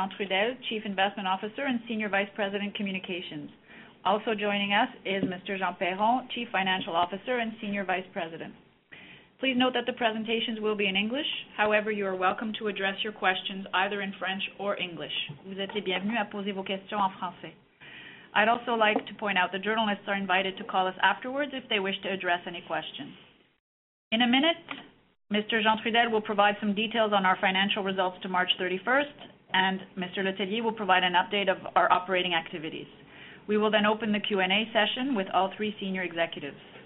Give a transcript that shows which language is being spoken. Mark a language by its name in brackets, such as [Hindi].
[English] Jean Trudel, Chief Investment Officer and Senior Vice President Communications. Also joining us is Mr. Jean Perron, Chief Financial Officer and Senior Vice President. Please note that the presentations will be in English. However, you are welcome to address your questions either in French or English. [French] Vous êtes les bienvenus à poser vos questions en français. [English] I'd also like to point out the journalists are invited to call us afterwards if they wish to address any questions. In a minute, Mr. Jean Trudel will provide some details on our financial results to March 31st, and Mr. Letellier will provide an update of our operating activities. We will then open the Q&A session with all three senior executives.